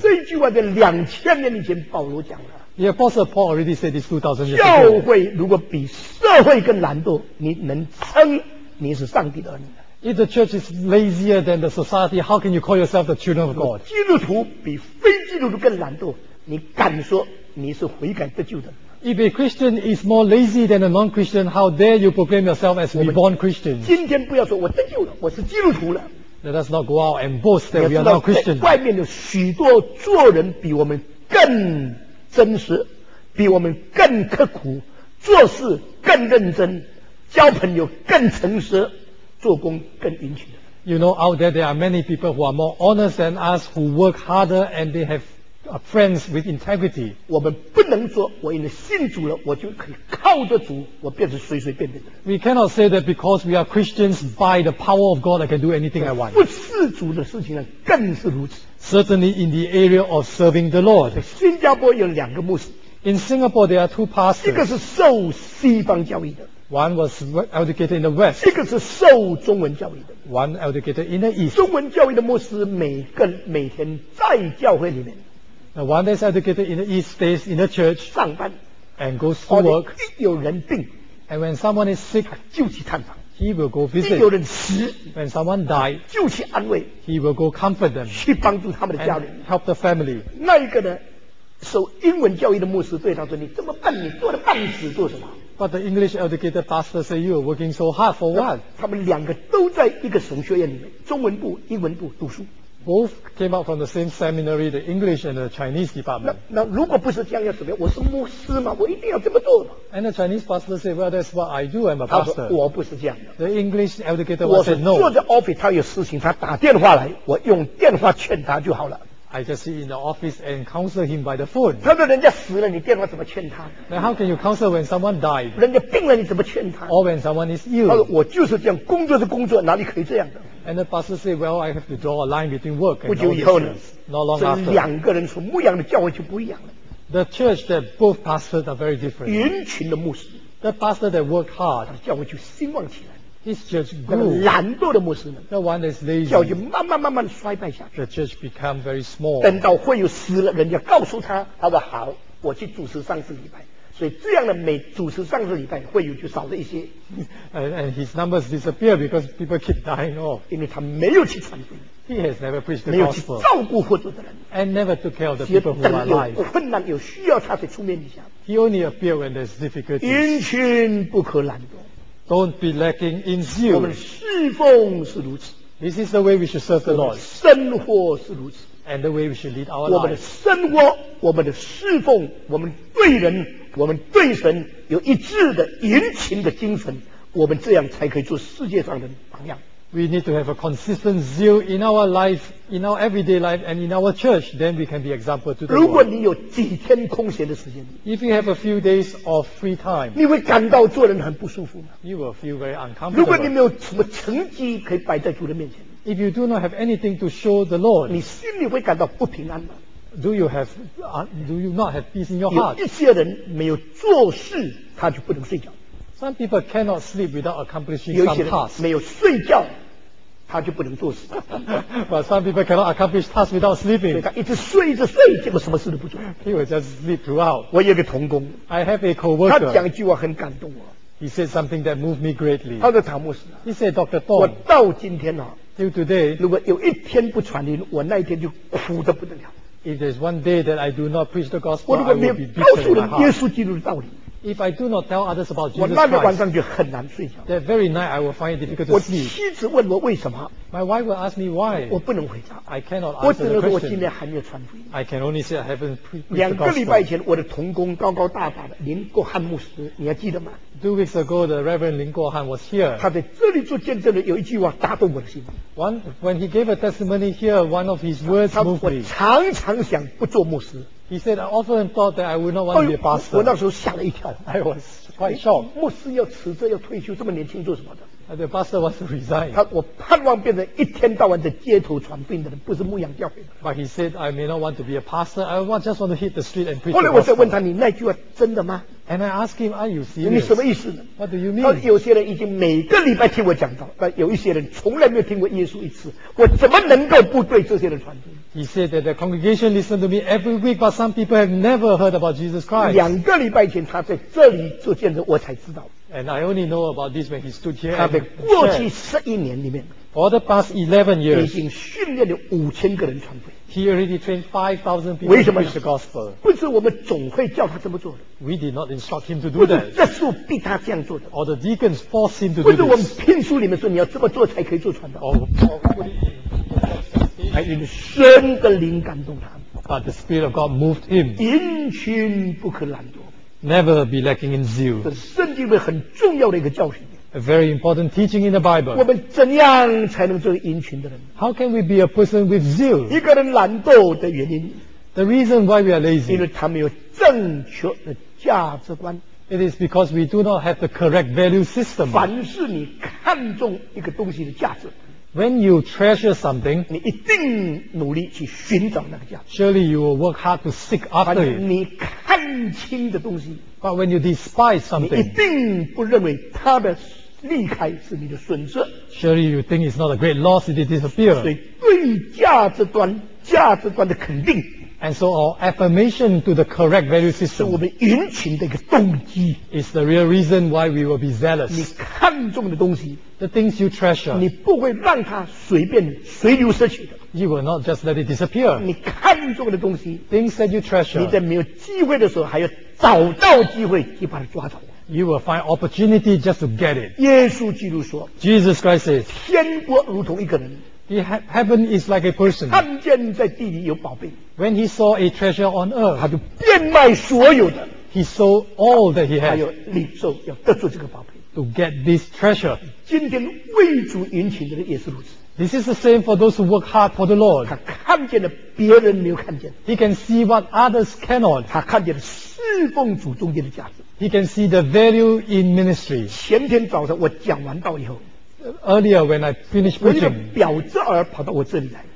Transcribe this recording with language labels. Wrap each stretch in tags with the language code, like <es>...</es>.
<zh>这句话在2000年以前保罗讲了。</zh> <en>The Apostle Paul already said this 2000 years</en> <zh>教会如果比社会更懒惰，你能称你是上帝的儿女？</zh> <en>If the church is lazier than the society, how can you call yourself the children of God?</en> <zh>基督徒比非基督徒更懒惰，你敢说你是悔改得救的？</zh> <en>If a Christian is more lazy than a non-Christian, how dare you proclaim yourself as reborn Christians?</en> <zh>今天不要说我得救了，我是基督徒了。</zh> <en>Let us not go out and boast that we are not Christians.</en> <zh>外面有许多做人比我们更真实，比我们更刻苦，做事更认真，交朋友更诚实。做工更殷勤。</zh> <en>You know, out there there are many people who are more honest than us, who work harder, and they have friends with integrity.</en> <zh>我们不能说我因为信主了，我就可以靠着主，我变成随随便便的。</zh> <en>We cannot say that because we are Christians by the power of God, I can do anything I want.</en> <zh>不是主的事情呢，更是如此。</zh> <en>Certainly in the area of serving the Lord.</en> <zh>新加坡有两个牧师。</zh> <en>In Singapore there are two pastors.</en> <zh>一个是受西方教育的。</zh> <en>One was educated in the West.</en> <zh>一个是受中文教育的。</zh> <en>One educated in the East.</en> <zh>中文教育的牧师每天在教会里面。</zh> <en>The one that's educated in the East stays in the church.</en> <zh>上班。</zh> <en>And goes to work.</en> <zh>一有人病。</zh> <en>And when someone is sick,</en> <zh>就去探访。</zh> <en>He will go visit.</en> <zh>这有人死</zh> <en>when someone died,</en> <zh>就去安慰。</zh> <en>He will go comfort them.</en> <zh>去帮助他们的家人。</zh> <en>Help the family.</en> <zh>那一个呢？受英文教育的牧师对他说：“你这么笨，你做了半死做什么？”</zh> <en>But the English educated pastor said, "You are working so hard for what?"</en> <zh>他们两个都在一个神学院里面，中文部、英文部读书。</zh> <en>Both came out from the same seminary, the English and the Chinese department.</en> <zh>那如果不是这样要怎么样？我是牧师嘛，我一定要这么做嘛。</zh> <en>And the Chinese pastor said, "Well, that's what I do. I'm a pastor."</en> <zh>他说：“我不是这样的。”</zh> <en>The English educated pastor said, "No."</en> <zh>我坐在 office， 他有事情，他打电话来，我用电话劝他就好了。</zh> <en>I just sit in the office and counsel him by the phone.</en> <zh>他说人家死了，你电话怎么劝他？</zh> <en>Now how can you counsel when someone died?</en> <zh>人家病了，你怎么劝他？</zh> <en>Or when someone is ill.</en> <zh>他说我就是这样，工作是工作，哪里可以这样的？</zh> <en>And the pastor said, "Well, I have to draw a line between work and."</en> <zh>不久以后呢？</zh> <en>Not long after.</en> <zh>这两个人所牧养的教会就不一样了。</zh> <en>The church that both pastors are very different.</en> <zh>殷勤的牧师。</zh> <en>The pastor that worked hard.</en> <zh>他的教会就兴旺起来。</zh> <en>His church grew.</en> <zh>那个懒惰的牧师呢？</zh> <en>The one that's lazy.</en> <zh>教会慢慢慢慢衰败下去。</zh> <en>The church become very small.</en> <zh>等到会友死了，人家告诉他，他说好，我去主持上次礼拜。所以这样的每主持上次礼拜，会友就少了一些。</zh> <en>And his numbers disappear because people keep dying off.</en> <zh>因为他没有去传福音。</zh> <en>He has never preached the gospel.</en> <zh>没有去照顾活着的人。</zh> <en>And never took care of the people who are alive.</en> <zh>有困难有需要，他才出面一下。</zh> <en>He only appear when there's difficulty.</en> <zh>殷勤不可懒惰。</zh> <en>Don't be lacking in zeal.</en> <zh>我们侍奉是如此。</zh> <en>This is the way we should serve the Lord.</en> <zh>生活是如此。</zh> <en>And the way we should lead our lives.</en> <zh>我们的生活，我们的侍奉，我们对人，我们对神有一致的殷勤的精神，我们这样才可以做世界上的榜样。</zh> <en>We need to have a consistent zeal in our life, in our everyday life, and in our church. Then we can be example to the world.</en> <zh>如果你有几天空闲的时间，</zh> <en>if you have a few days of free time,</en> <zh>你会感到做人很不舒服吗？</zh> <en>You will feel very uncomfortable.</en> <zh>如果你没有什么成绩可以摆在主的面前，</zh> <en>if you do not have anything to show the Lord,</en> <zh>你心里会感到不平安吗？</zh> <en>Do you not have peace in your heart?</en> <zh>有一些人没有做事，他就不能睡觉。</zh> <en>Some people cannot sleep without accomplishing some task.</en> <zh>有些人没有睡觉，他就不能做事。</zh> <en>But some people cannot accomplish task without sleeping.</en> <zh>所以他一直睡，一直睡，结果什么事都不做。</zh> <en>He will just sleep throughout.</en> <zh>我有个同工。</zh> <en>I have a co-worker.</en> <zh>他讲一句话很感动我。</zh> <en>He said something that moved me greatly.</en> <zh>他说唐牧师。</zh> <en>He said Dr. Tong.</en> <zh>我到今天啊。</zh> <en>Till today.</en> <zh>如果有一天不传音，我那一天就苦得不得了。</zh> <en>If there's one day that I do not preach the gospel,</en> <zh>我如果没有告诉人耶稣基督的道理。</zh> <en>If I do not tell others about Jesus Christ,</en> <zh>我那个晚上就很难睡觉。</zh> <en>That very night I will find it difficult to sleep.</en> <zh>我妻子问我为什么。</zh> <en>My wife will ask me why.</en> <zh>我不能回答。</zh> <en>I cannot answer the question.</en> <zh>我只能说我今天还没有传福音。</zh> <en>I can only say I haven't preached the gospel.</en> <zh>两个礼拜前我的同工高高大大的林国汉牧师，你还记得吗？</zh> <en>2 weeks ago the Reverend 林国汉 was here.</en> <zh>他在这里做见证的有一句话打动我的心。</zh> <en>When he gave a testimony here, one of his words moved me.</en> <zh>我常常想不做牧师。</zh> <en>He said, "I often thought that I would not want to be a pastor."</en> <zh>我那时候吓了一跳。</zh> <en>I was quite shocked.</en> <zh>牧师要辞职要退休，这么年轻做什么的？</zh> <en>The pastor wants to resign.</en> <zh>他我盼望变成一天到晚在街头传福音的人，不是牧养教会的。</zh> <en>But he said, "I may not want to be a pastor. I just want to hit the street and preach."</en> <zh>后来我再问他，你那句话真的吗？</zh> <en>And I asked him, "Are you serious?"</en> <zh>你什么意思呢？</zh> <en>What do you mean?</en> <zh>有些人已经每个礼拜听我讲道，但有一些人从来没有听过耶稣一次，我怎么能够不对这些人传福音？</zh> <en>He said that the congregation listened to me every week, but some people have never heard about Jesus Christ.</en> <zh>两个礼拜前他在这里做见证，我才知道。</zh> <en>And I only know about this when he stood here.</en> <zh>他在过去十一年里面</zh> <en>，for the past 11 years,</en> <zh>已经训练了5000个人传福音。</zh> <en>He already trained 5,000 people to preach the gospel.</en> <zh>不是我们总会叫他这么做的。</zh> <en>We did not instruct him to do that.</en> <zh>不是耶稣逼他这样做的。</zh> <en>Or the deacons forced him to do this.</en> <zh>不是我们聘书里面说你要这么做才可以做传道。用神的灵感动他。</zh> <en>But the Spirit of God moved him.</en> <zh>殷勤不可懒惰。</zh> <en>Never be lacking in zeal.</en> <zh>这圣经里很重要的一个教训。</zh> <en>A very important teaching in the Bible.</en> <zh>我们怎样才能做殷勤的人？</zh> <en>How can we be a person with zeal?</en> <zh>一个人懒惰的原因。</zh> <en>The reason why we are lazy.</en> <zh>因为他没有正确的价值观。</zh> <en>It is because we do not have the correct value system.</en> <zh>凡是你看重一个东西的价值。</zh> <en>When you treasure something,</en> <zh>你一定努力去寻找那个价值。</zh> <en>Surely you will work hard to seek after it.</en> <zh>你看清的东西。</zh> <en>But when you despise something,</en> <zh>你一定不认为它的离开是你的损失。</zh> <en>Surely you think it's not a great loss if it disappears.</en> <zh>所以对价值观的肯定。</zh> <en>And so our affirmation to the correct value system</en> <zh>是我们殷勤的一个动机</zh> <en>is the real reason why we will be zealous.</en> <zh>你看重的东西</zh> <en>the things you treasure,</en> <zh>你不会让它随便随流失去的</zh> <en>you will not just let it disappear.</en> <zh>你看重的东西</zh> <en>things that you treasure,</en> <zh>你在没有机会的时候还要找到机会去把它抓走</zh> <en>You will find opportunity just to get it.</en> <zh>耶稣基督说</zh> <en>Jesus Christ says,</en> <zh>天国如同一个人</zh> <en>Heaven is like a person.</en> <zh>看见在地里有宝贝</zh> <en>When he saw a treasure on earth,</en> <zh>他就变卖所有的</zh> <en>He sold all that he had.</en> <zh>他要领受要得住这个宝贝</zh> <en>To get this treasure.</en> <zh>今天为主殷勤的人也是如此</zh> <en>This is the same for those who work hard for the Lord.</en> <zh>他看见了别人没有看见</zh> <en>He can see what others cannot.</en> <zh>他看见了侍奉主中间的价值</zh> <en>He can see the value in ministry.</en> <zh>前天早上我讲完道以后</zh> <en>Earlier when I finished preaching,</en> <zh>我一个表侄儿跑到我这里来</zh>